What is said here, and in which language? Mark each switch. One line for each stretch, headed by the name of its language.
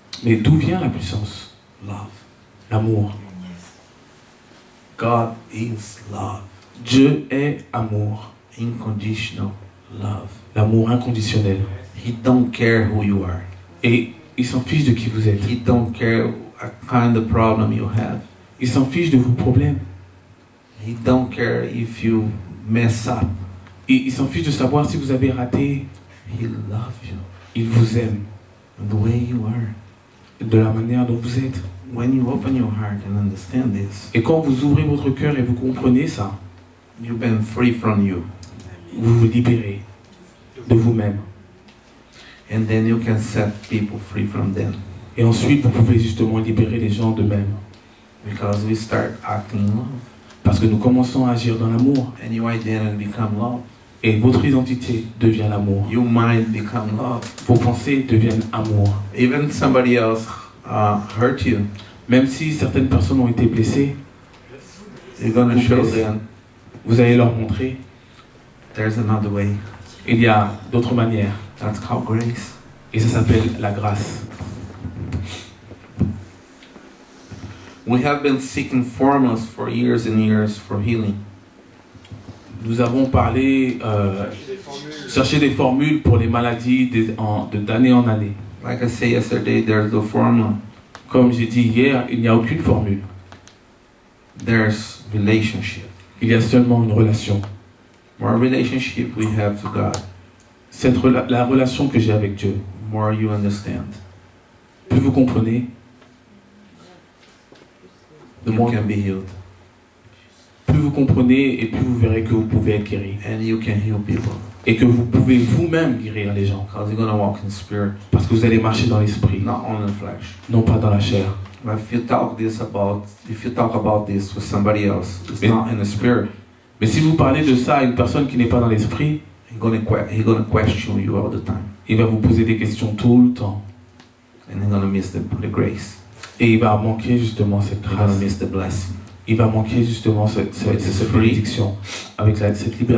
French: Mais d'où vient la puissance?
English: Love.
French: L'amour.
English: God is love.
French: Dieu est amour.
English: Unconditional love.
French: L'amour inconditionnel.
English: He don't care who you are.
French: Et il s'en fiche de qui vous êtes.
English: He don't care what kind of problem you have.
French: Il s'en fiche de vos problèmes.
English: He don't care if you mess up.
French: Et il s'en fiche de savoir si vous avez raté.
English: He love you.
French: Il vous aime.
English: The way you are.
French: De la manière dont vous êtes.
English: When you open your heart and understand this,
French: et quand vous ouvrez votre cœur et vous comprenez ça,
English: you've been free from you.
French: Vous vous libérez de vous-même.
English: And then you can set people free from them.
French: Et ensuite, vous pouvez justement libérer les gens d'eux-mêmes.
English: Because we start acting love.
French: Parce que nous commençons à agir dans l'amour.
English: And your identity become love.
French: Et votre identité devient l'amour.
English: Your mind become love.
French: Vos pensées deviennent amour.
English: Even somebody else hurt you.
French: Même si certaines personnes ont été blessées,
English: you're gonna show them.
French: Vous allez leur montrer.
English: There's another way.
French: Il y a d'autres manières.
English: That's called grace.
French: Et ça s'appelle la grâce.
English: We have been seeking formulas for years and years for healing.
French: Nous avons parlé chercher des formules pour les maladies d'année en année.
English: Like I said yesterday, there's no formula.
French: Comme j'ai dit hier, il n'y a aucune formule.
English: There's relationship.
French: Il y a seulement une relation.
English: More relationship we have to God.
French: Cette la relation que j'ai avec Dieu.
English: More you understand.
French: Plus vous comprenez.
English: The more you can be healed.
French: Plus vous comprenez et plus vous verrez que vous pouvez être guéri.
English: And you can heal people.
French: Et que vous pouvez vous-même guérir les gens.
English: Because you're gonna walk in spirit.
French: Parce que vous allez marcher dans l'esprit.
English: Not on the flesh.
French: Non pas dans la chair.
English: But if you talk about this with somebody else, not in the spirit.
French: Mais si vous parlez de ça à une personne qui n'est pas dans l'esprit,
English: he's gonna question you all the time.
French: Il va vous poser des questions tout le temps.
English: And he's gonna miss the grace.
French: Et il va manquer justement cette grâce.
English: He's gonna miss the blessing.
French: Il va manquer justement cette bénédiction avec cette liberté.